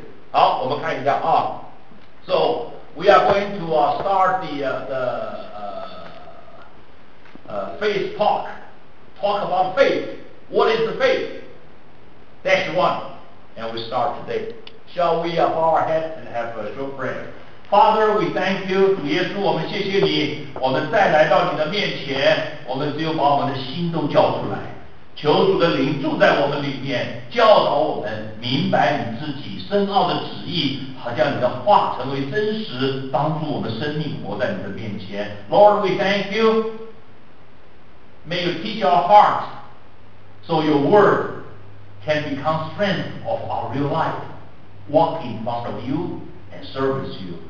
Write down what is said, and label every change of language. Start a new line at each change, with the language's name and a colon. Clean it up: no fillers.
Chinese: 好，我们看一下啊。
English: So we are going to start faith talk. Talk about faith. What is the faith? That's one. And we start today. Shall we bow our heads and have a short prayer? Father, we thank you.
Chinese: 主耶稣，我们谢谢你。我们再来到你的面前，我们只有把我们的心都交出来。求主的灵住在我们里面，教导我们明白你自己深奥的旨意，好像你的话成为真实，帮助我们生命活在你的面前。
English: Lord, we thank you. May you teach our hearts so your word can become strength of our real life. Walk in front of you and service you.